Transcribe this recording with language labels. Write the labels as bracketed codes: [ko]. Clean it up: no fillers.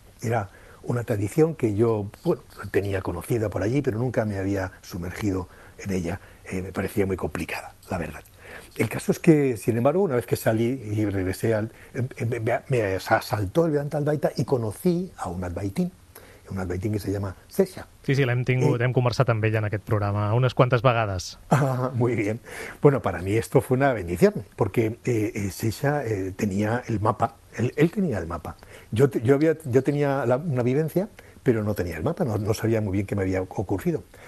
[es] Era una tradición que yo, bueno, tenía conocida por allí, pero nunca me había sumergido en ella. Me parecía muy complicada, la verdad. El caso es que, sin embargo, una vez que salí y regresé, me asaltó el Vedanta Advaita y conocí a un advaitín que se llama Sesha. [ca] Sí, sí, l'hem tingut, hem conversat amb ella en aquest programa unes quantes vegades. [es] Ah, muy bien. Bueno, para mí esto fue una bendición, porque Sesha tenía el mapa, él tenía el mapa. Yo tenía una vivencia, pero no tenía el mapa, no sabía muy bien qué me había ocurrido.